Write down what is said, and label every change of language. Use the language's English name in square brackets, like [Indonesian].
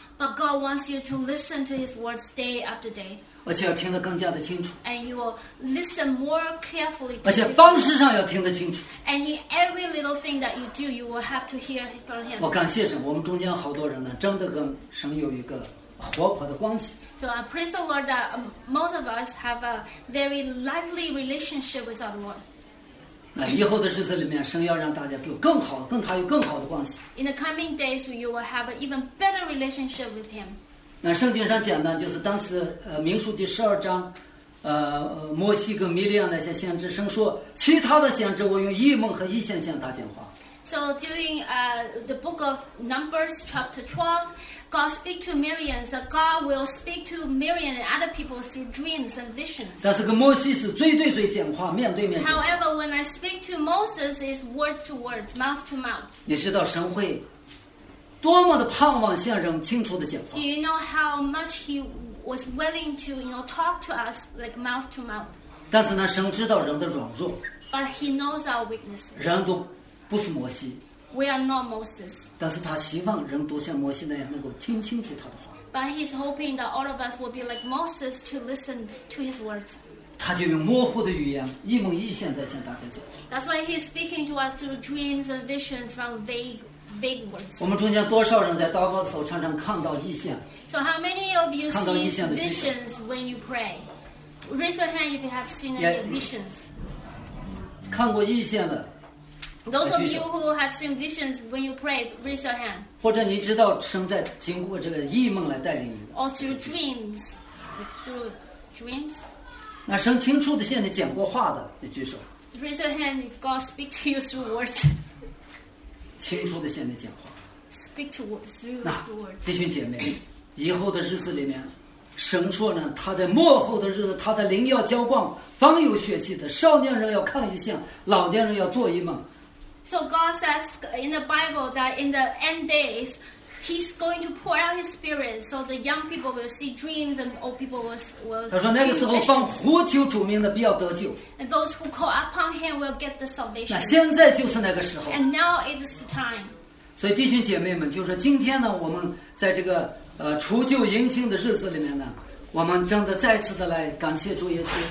[English] But God wants you to listen to His words day after day. [Chinese] 而且要听得更加的清楚。 [English] And you will listen more carefully. [Chinese] 而且方式上要听得清楚。 [English] And in every little thing that you do, you will have to hear from Him. [Chinese] 我感谢神，我们中间好多人呢，真的跟神有一个活泼的关系。 [English] So I praise the Lord that most of us have a very lively relationship with our Lord. [Chinese] 那以后的日子里面，神要让大家有更好、跟他有更好的关系。 [English] In the coming days, you will have an even better relationship with Him. [Chinese] 那圣经上讲呢，就是当时民数记十二章，摩西跟弥利亚那些先知，神说其他的先知，我用异梦和异象向他讲话。 [English] So during the book of Numbers, chapter 12, God speak to Miriam. So God will speak to Miriam and other people through dreams and visions. [Chinese] 但是跟摩西是最对最讲话，面对面。 [English] However, when I speak to Moses, it's words to words, mouth to mouth. [Chinese] 你知道神会多么的盼望向人清楚的讲话。 [English] Do you know how much He was willing to, you know, talk to us like mouth to mouth? [Chinese] 但是呢，神知道人的软弱。 [English] But He knows our weaknesses. [Chinese] 人都不是摩西。 [English] We are not Moses. [Chinese] 但是他希望人都像摩西那样能够听清楚他的话。 [English] But he's hoping that all of us will be like Moses to listen to his words. [Chinese] 他就用模糊的语言，一梦一现在向大家讲。 [English] That's why he's speaking to us through dreams and visions from vague words. [Chinese] 我们中间多少人在祷告的时候常常看到异象 [English] ？So how many of you see visions when you pray? Raise your hand if you have seen any visions. [Chinese] 看过异象的。 [English] Those of you who have seen visions when you pray, raise your hand. [Chinese] 或者你知道神在经过这个异梦来带领你。 [English] Or through dreams, through dreams. [Chinese] 那神清楚的向你讲过话的，你举手。 [English] Raise your hand if God speak to you through words. [Chinese] 清楚的向你讲话。 [English] Speak to through words. [Chinese] 弟兄姐妹，以后的日子里面，神说呢，他在末后的日子，他的灵要浇灌，凡有血气的，少年人要看异象，老年人要做异梦。 [English] So God says in the Bible that in the end days, He's going to pour out His Spirit, so the young people will see dreams and old people will. [Chinese] 他说那个时候奉呼求主名的必要得救。 [English] And those who call upon Him will get the salvation. [Chinese] 那现在就是那个时候。 [English] And now is the time. [Chinese] 所以弟兄姐妹们，就是今天呢，我们在这个除旧迎新的日子里面呢，我们真的再次的来感谢主耶稣。